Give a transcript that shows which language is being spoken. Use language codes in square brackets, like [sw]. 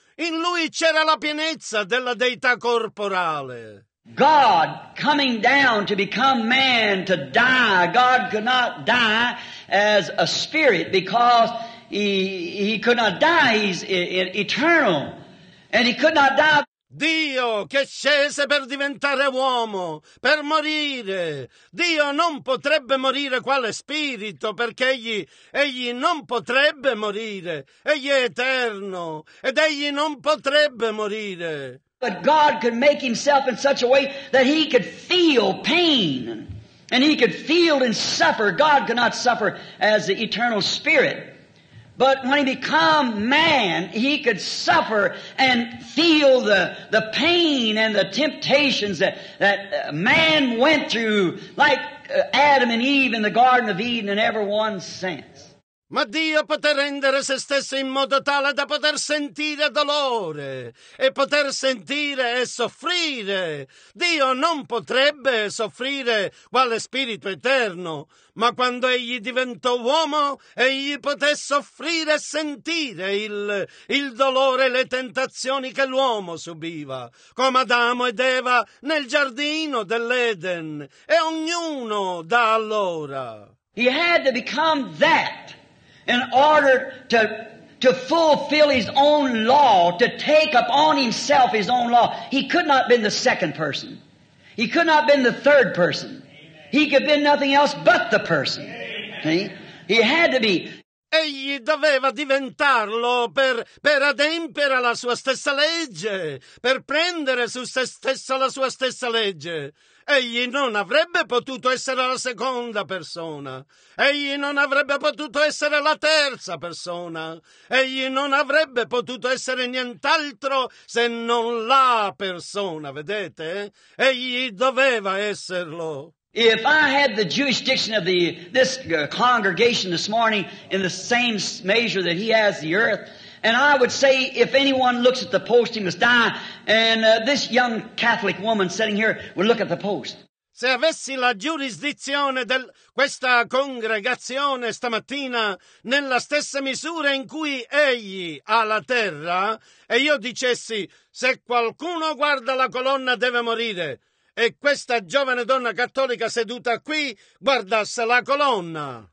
[it] In lui c'era la pienezza della deità corporale. [en] God coming down to become man to die. God could not die as a spirit because he could not die. He's eternal. And he could not die. [it] Dio che scese per diventare uomo, per morire. Dio non potrebbe morire quale spirito, perché egli non potrebbe morire. Egli è eterno, ed egli non potrebbe morire. [en] But God could make himself in such a way that he could feel pain, and he could feel and suffer. God could not suffer as the eternal spirit. But when he became man, he could suffer and feel the pain and the temptations that man went through, like Adam and Eve in the Garden of Eden and everyone since. [it] Ma Dio poté rendere se stesso in modo tale da poter sentire dolore e poter sentire e soffrire. Dio non potrebbe soffrire quale spirito eterno, ma quando egli diventò uomo, egli poté soffrire e sentire il dolore e le tentazioni che l'uomo subiva, come Adamo ed Eva nel giardino dell'Eden e ognuno da allora. [en] He had to become that in order to fulfill his own law, to take upon himself his own law. He could not have been the second person. He could not have been the third person. He could have been nothing else but the person. See? He had to be. [it] Egli doveva diventarlo per adempiere alla sua stessa legge, per prendere su se stesso la sua stessa legge. Egli non avrebbe potuto essere la seconda persona. Egli non avrebbe potuto essere la terza persona. Egli non avrebbe potuto essere nient'altro se non la persona, vedete? Egli doveva esserlo. [en] If I had the jurisdiction of this congregation this morning in the same measure that he has the earth, and I would say if anyone looks at the post, he must die, and this young Catholic woman sitting here would look at the post. [it] Se avessi la giurisdizione di questa congregazione stamattina nella stessa misura in cui egli ha la terra, e io dicessi, se qualcuno guarda la colonna deve morire, e questa giovane donna cattolica seduta qui guardasse la colonna.